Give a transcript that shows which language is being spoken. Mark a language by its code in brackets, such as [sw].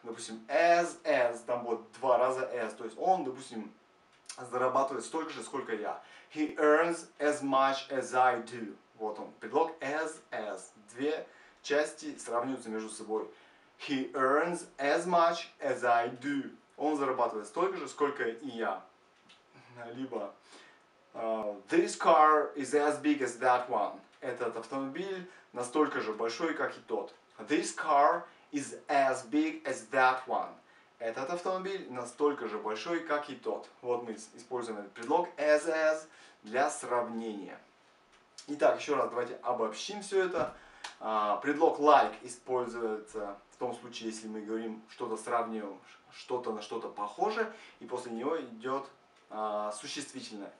[ru] Допустим, as, там будет два раза as, то есть он, допустим, зарабатывает столько же, сколько я. [en] He earns as much as I do. [ru] Вот он, предлог as. Две части сравниваются между собой. [en] He earns as much as I do. [ru] Он зарабатывает столько же, сколько и я. Либо [en] this car is as big as that one. [ru] Этот автомобиль настолько же большой, как и тот. [en] This car is as big as that one. [ru] Этот автомобиль настолько же большой, как и тот. Вот мы используем этот предлог as для сравнения. Итак, еще раз давайте обобщим все это. Предлог like используется в том случае, если мы говорим что-то сравниваем, что-то на что-то похоже, и после него идет существительное.